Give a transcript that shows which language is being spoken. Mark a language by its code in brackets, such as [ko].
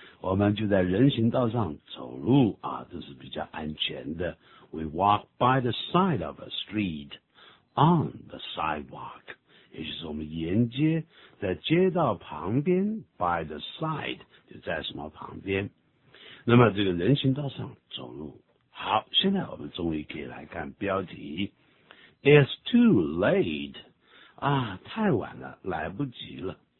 [zh] 我们就在人行道上走路啊，这是比较安全的。 [en] We walk by the side of a street on the sidewalk. [zh] 也就是我们沿街在街道旁边 [en] by the side [zh] 就在什么旁边，那么这个人行道上走路。好，现在我们终于可以来看标题 [en] It's too late. [zh] 啊，太晚了，来不及了。